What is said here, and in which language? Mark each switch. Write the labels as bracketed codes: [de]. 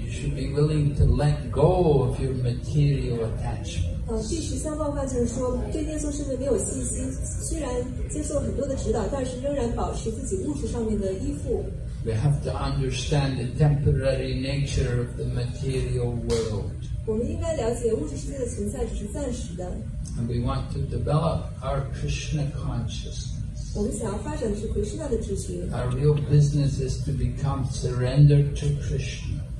[en] You should be willing to let go of your material attachment. [zh] 第十项冒犯就是说，对念诵圣名没有信心。虽然接受很多的指导，但是仍然保持自己物质上面的依附。 [en] We have to understand the temporary nature of the material world. And we want to develop our Krishna consciousness. Our real business is to become surrendered to Krishna.